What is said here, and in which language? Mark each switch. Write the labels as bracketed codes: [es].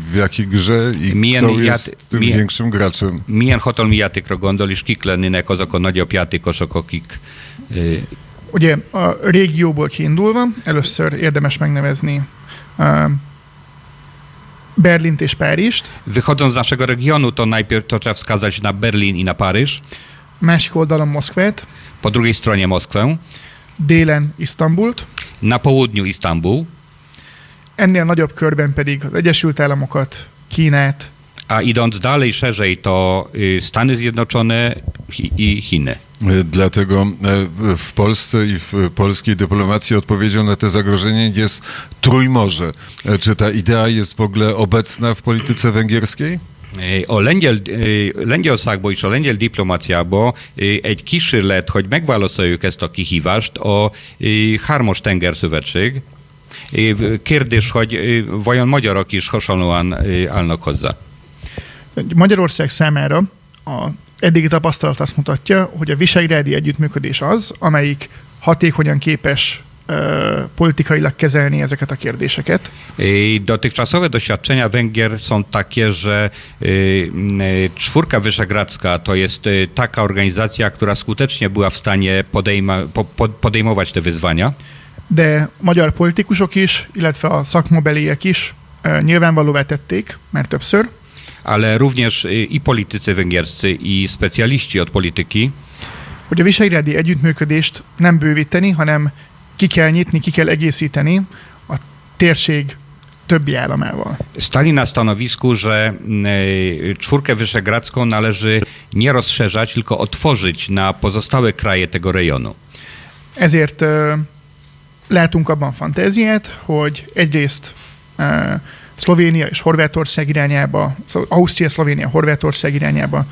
[pl] W jakiej grze i kto jest tym większym graczem? [hu] Milyen hatalom játék gondol is kik lennének azok a nagyobb játékosok, akik... Ugye a régióból kiindulva először érdemes megnevezni Berlint és Párizst. [pl] Wychodząc z naszego regionu, to najpierw to trzeba wskazać na Berlin i na Paryż. [hu] Másik oldalon Moszkwát. [pl] Po drugiej stronie Moszkwę. [hu] Délen Isztambult. [pl] Na południu Isztambul. [hu] Ennél nagyobb körben pedig az Egyesült Államokat, Kínát. [pl] A idąc dalej, szerzej, to Stany Zjednoczone i Chiny. Dlatego w Polsce i w polskiej dyplomacji odpowiedzią na to zagrożenie jest Trójmorze. Czy ta idea jest w ogóle obecna w polityce węgierskiej? [hu] A lengyel, Lengyelországból és a lengyel diplomáciából egy kísérlet, hogy megválaszoljuk ezt a kihívást, a hármas tengerszövetség. Kérdés, hogy vajon magyarok is hasonlóan állnak hozzá? Magyarország számára a eddigi tapasztalat azt mutatja, hogy a visegrádi együttműködés az, amelyik hatékonyan képes politikailag kezelni ezeket a kérdéseket. [pl] Dotychczasowe doświadczenia Węgier są takie, że Czwórka Wyszehradzka to jest taka organizacja, która skutecznie była w stanie podejmować te wyzwania. [hu] De magyar politikusok is, illetve a szakmabeliek is nyilvánvalóvá tették, mert többször. [pl] Ale również i politycy węgierscy, i specjaliści od polityki. [hu] Hogy a visegrádi együttműködést nem bővíteni, hanem ki kell nyitni, ki kell egészíteni a térség többi államával. [pl] Stali na stanowisku, że Czwórkę Wyszehradzką należy nie rozszerzać, tylko otworzyć na pozostałe kraje tego rejonu. [hu] Ezért látunk abban fantáziát, hogy egyrészt Slovenia i Chorwetorsia irányába, Austria, Slovenia, Chorwetorsia irányába.